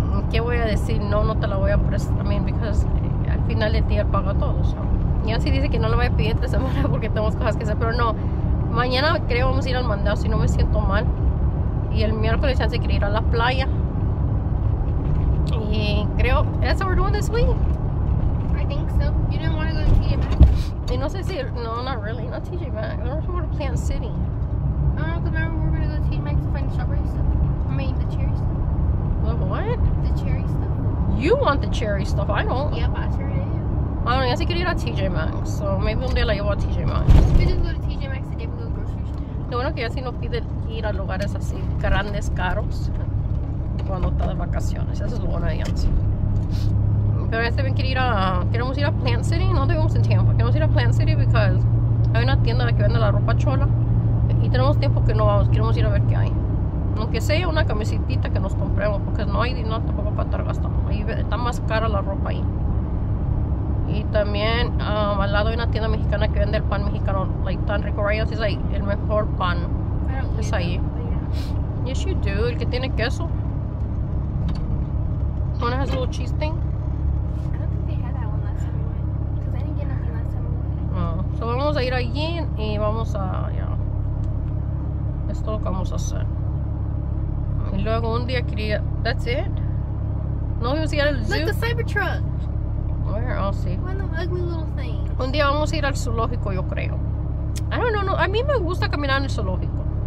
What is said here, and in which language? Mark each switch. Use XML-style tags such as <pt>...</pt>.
<es>¿Qué voy a decir? No, no te la voy a prestar,</es> <en>I mean, because</en> <es>al final del día él paga todo, so. Y así dice que no le voy a pedir esta semana porque tenemos cosas que hacer, pero no, mañana creo vamos a ir al mandado si no me siento mal. Y el miércoles chance quería ir a la playa. Y creo,</es> <en>that's what we're doing this week. I think so. You didn't want to go to TJ Maxx.</en> <es>Y no sé si, no,</es> <en>not really, not TJ Maxx. I don't want to Plant City. I don't know, because remember we're going to go to TJ Maxx to find the strawberry stuff. I mean, the cherry stuff. The what? The cherry stuff. You want the cherry stuff, I don't. Yeah, but I sure do. I don't know,</en> <es>ya se quiere ir a TJ Maxx,</es> <en>so maybe</en> <es>un día la llevo a TJ Maxx.</es> <en>We just go to TJ Maxx and get a grocery</en> <es>shop. Lo bueno que ya si no pide ir a lugares así grandes, caros, cuando está de vacaciones. Eso es lo bueno de Yancy. Pero ya se ven, quiere ir a, queremos ir a Plant City, no tenemos en tiempo. Queremos ir a Plant City because hay una tienda que vende la ropa chola y tenemos tiempo que no vamos, queremos ir a ver qué hay. Aunque sea una camisita que nos compremos, porque no hay dinero tampoco para estar gastando. Ahí está más cara la ropa ahí. Y también al lado hay una tienda mexicana que vende el pan mexicano, like tan rico. Ryan's es ahí, like, el mejor pan. Es ahí.</es> <en>Yes, you do.</en> <es>El que tiene queso.</es> <en>¿Una has a little cheese thing? I don't think they had that one last time. Because I didn't get nothing last time.</en> <es>So vamos a ir allí y vamos a. Es todo lo que vamos a hacer. Y luego un día quería.</es> <en>That's it?</en> <es>No, vamos a ir al zoo.</es> <en>Look, the Cybertruck. Where? I'll see. One of the ugly little things.</en> <es>Un día vamos a ir al zoológico, yo creo.</es> <en>I don't know.</en> <es>No, a mí me gusta caminar en el zoológico.</es>